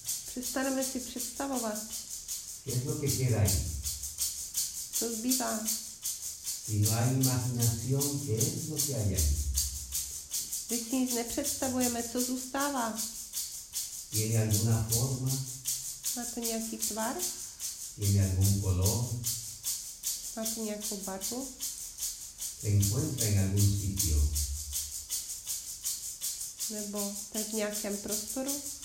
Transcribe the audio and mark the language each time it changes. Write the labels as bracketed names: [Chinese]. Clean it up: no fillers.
[Czech] Přestaneme si představovat. [Spanish] ¿Qué es lo que queda ahí? [Czech] Co zbývá? [Spanish] Si no hay imaginación, ¿qué es lo que hay ahí? [Czech] Když si nic nepředstavujeme, co zůstává? [Spanish] ¿Tiene alguna forma? [Czech] Má to nějaký tvar? [Spanish] ¿Tiene algún color? [Czech] Má tu nějakou barvu? [Spanish] Se encuentra en algún sitio. [Czech] Nebo to je v nějakém prostoru?